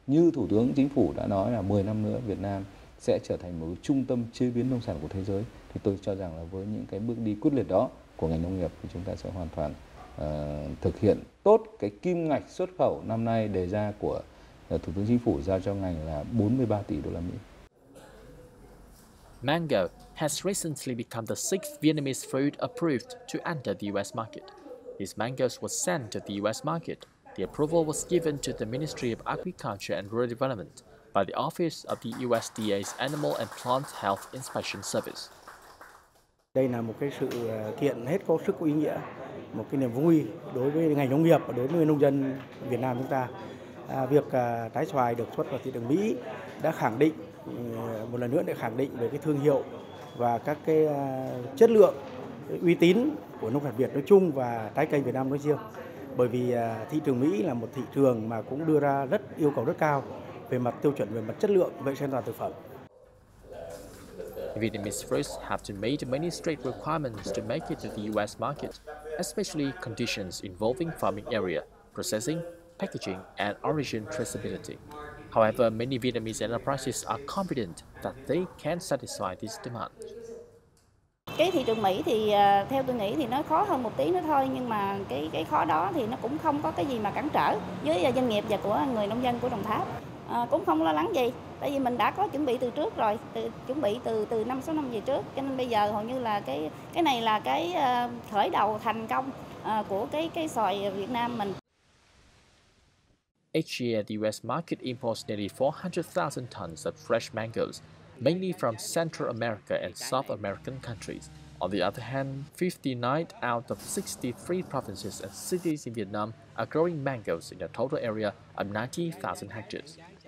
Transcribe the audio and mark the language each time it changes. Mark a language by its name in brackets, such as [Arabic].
[Vietnamese] Như Thủ tướng Chính phủ đã nói là 10 năm nữa Việt Nam sẽ trở thành một trung tâm chế biến nông sản của thế giới. Thì tôi cho rằng là với những cái bước đi quyết liệt đó của ngành nông nghiệp thì chúng ta sẽ hoàn toàn thực hiện tốt cái kim ngạch xuất khẩu năm nay đề ra của Thủ tướng Chính phủ giao cho ngành là 43 tỷ đô la Mỹ. [English] Mango has recently become the sixth Vietnamese fruit approved to enter the US market. These mangoes were sent to the US market. The approval was given to the Ministry of Agriculture and Rural Development by the Office of the USDA's Animal and Plant Health Inspection Service. [Vietnamese] Đây là một cái sự kiện hết có sức có ý nghĩa, một cái niềm vui đối với ngành nông nghiệp và đối với nông dân Việt Nam chúng ta. Việc trái xoài được xuất vào thị trường Mỹ đã khẳng định, một lần nữa để khẳng định về cái thương hiệu và các cái chất lượng, cái uy tín của nông sản Việt nói chung và trái cây Việt Nam nói riêng. Bởi vì thị trường Mỹ là một thị trường mà cũng đưa ra rất yêu cầu rất cao về mặt tiêu chuẩn, về mặt chất lượng, vệ sinh an toàn thực phẩm. [English] Vietnamese fruits have to meet many strict requirements to make it to the US market, especially conditions involving farming area, processing, packaging, and origin traceability. However, many Vietnamese enterprises are confident that they can satisfy this demand. [Vietnamese] Cái thị trường Mỹ thì theo tôi nghĩ thì nó khó hơn một tí nữa thôi, nhưng mà cái khó đó thì nó cũng không có cái gì mà cản trở với doanh nghiệp và của người nông dân của Đồng Tháp. Cũng không lo lắng gì, tại vì mình đã có chuẩn bị từ trước rồi, chuẩn bị từ 5-6 năm về trước, cho nên bây giờ hầu như là cái này là cái khởi đầu thành công của cái xoài Việt Nam mình. [English] Each year, the US market imports nearly 400,000 tons of fresh mangoes, mainly from Central America and South American countries. On the other hand, 59 out of 63 provinces and cities in Vietnam are growing mangoes in a total area of 90,000 hectares.